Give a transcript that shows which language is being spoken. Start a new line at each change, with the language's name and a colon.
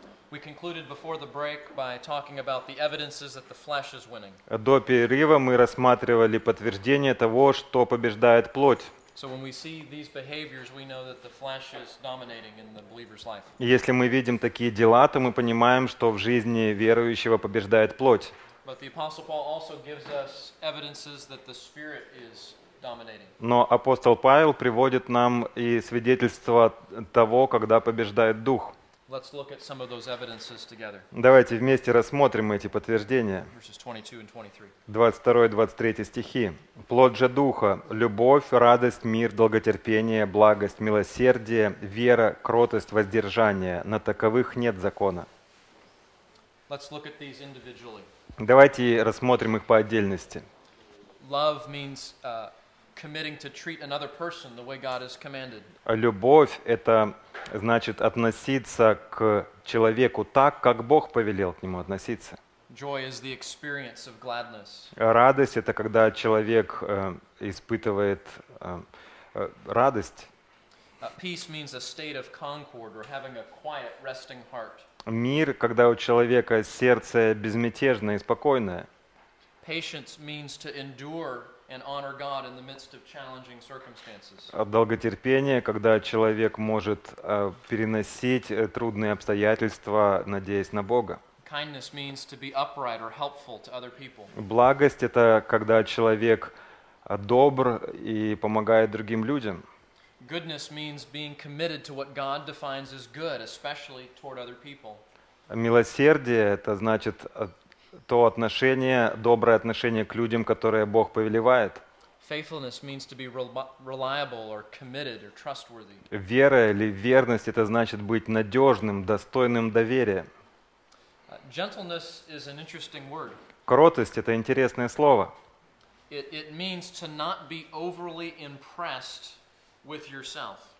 English: We concluded before the break by talking about the evidences that the flesh is winning.
Russian: До перерыва мы рассматривали подтверждение того, что побеждает плоть.
English: So when we see these behaviors, we know that the flesh is dominating in the believer's life.
Russian: Если мы видим такие дела, то мы понимаем, что в жизни верующего побеждает плоть.
English: But the Apostle Paul also gives us evidences that the Spirit is dominating.
Russian: Но апостол Павел приводит нам и свидетельство того, когда побеждает дух.
English: Let's look at some of those evidences together.
Russian: Давайте вместе рассмотрим эти подтверждения. 22-23 стихи. Плод же Духа – любовь, радость, мир, долготерпение, благость, милосердие, вера, кротость, воздержание. На таковых нет закона.
English: Let's look at these individually.
Russian: Давайте рассмотрим их по отдельности.
English: Love means committing to treat another person the way God has commanded.
Russian: Любовь – это значит относиться к человеку так, как Бог повелел к нему относиться.
English: Joy is the experience of gladness.
Russian: Радость – это когда человек испытывает радость.
English: Peace means a state of concord or having a quiet, resting heart.
Russian: Мир – когда у человека сердце безмятежное и спокойное.
English: Patience means to endure and honor God in the midst of challenging circumstances.
Russian: Долготерпение, когда человек может переносить трудные обстоятельства, надеясь на Бога.
English: Kindness means to be upright or helpful to other people.
Russian: Благость – это когда человек добр и помогает другим людям.
English: Goodness means being committed to what God defines as good, especially toward other people.
Russian: Милосердие – это значит то отношение, доброе отношение к людям, которое Бог повелевает.
English: Faithfulness means to be reliable or committed or trustworthy.
Russian: Вера или верность – это значит быть надежным, достойным доверия.
English: Gentleness is an interesting word.
Russian: Кротость – это интересное слово.
English: It means to not be overly impressed with yourself.